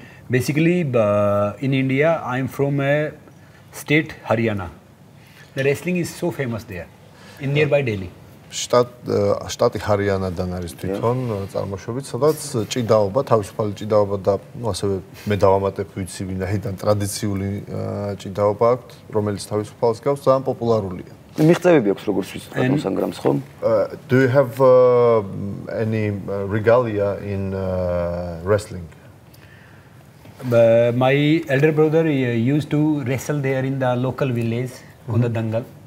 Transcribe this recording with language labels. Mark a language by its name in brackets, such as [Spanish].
[English] Basically, in India I'm from a state Haryana. The wrestling is so famous there in nearby Delhi. [Georgian] შტატი ჰარიანადან არის თვითონ წარმოშობით, სადაც ჭიდაობა, თავისუფალი ჭიდაობა და ასევე მე დავამატებ ვიცი ვინაიდან ტრადიციული ჭიდაობა აქვთ, რომელიც თავისუფალს გავს, ძალიან პოპულარულია. მიღწევები აქვს როგორც ვიცი ბატონ სანგრამს, ხო? [English] Do you have any regalia in wrestling? My elder brother used to wrestle there in the local village on the dangal.